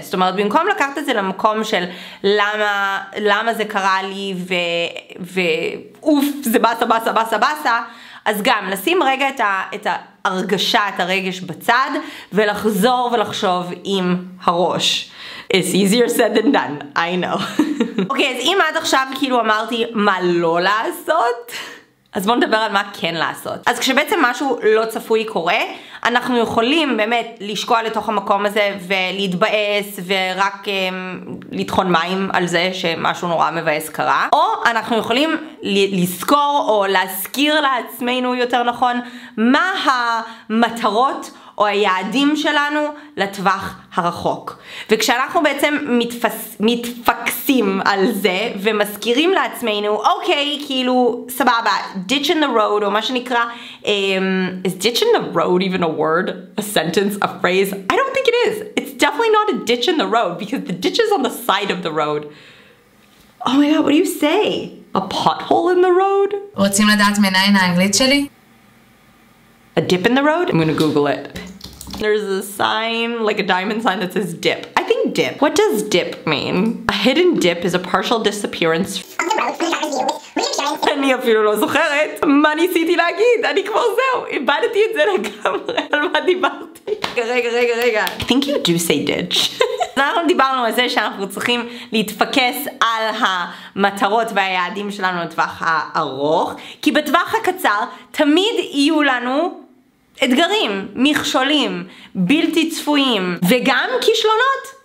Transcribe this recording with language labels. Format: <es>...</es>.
<he>זאת אומרת, במקום לקחת את זה למקום של למה זה קרה לי ואוף, זה בסה, אז גם לשים רגע את הרגשה, את הרגש בצד, ולחזור ולחשוב עם הראש.</he> <en>It's easier said than done, I know.</en> <he>אוקיי, אז אם עד עכשיו כאילו אמרתי מה לא לעשות, אז בואו נדבר על מה כן לעשות. אז כשבעצם משהו לא צפוי קורה, אנחנו יכולים באמת לשקוע לתוך המקום הזה ולהתבאס ורק לטחון מים על זה שמשהו נורא מבאס קרה. או אנחנו יכולים לזכור או להזכיר לעצמנו יותר נכון מה המטרות או היעדים שלנו לטווח הרחוק. וכשאנחנו בעצם מתפקסים על זה ומזכירים לעצמנו, אוקיי, כאילו, סבבה,</he> <en>ditch in the road,</en> <he>או מה שנקרא,</he> <en>is ditch in the road even a word? A sentence? A phrase? I don't think it is. It's definitely not a ditch in the road, because the ditch is on the side of the road. Oh my god, what do you say? A pothole in the road?</en> <he>רוצים לדעת מנין האנגלית שלי?</he> <en>A dip in the road? I'm gonna Google it. There's a sign, like a diamond sign that says dip. I think dip. What does dip mean? A hidden dip is a partial disappearance.</en> <he>אני אפילו לא זוכרת מה ניסיתי להגיד. אני כבר זהו, איבדתי את זה לגמרי. על מה דיברתי? רגע.</he> <en>I think you do say ditch.</en> <he>אנחנו דיברנו על זה שאנחנו צריכים להתפקס על המטרות והיעדים שלנו לטווח הארוך, כי בטווח הקצר תמיד יהיו לנו אתגרים, מכשולים, בלתי צפויים, וגם כישלונות.</he>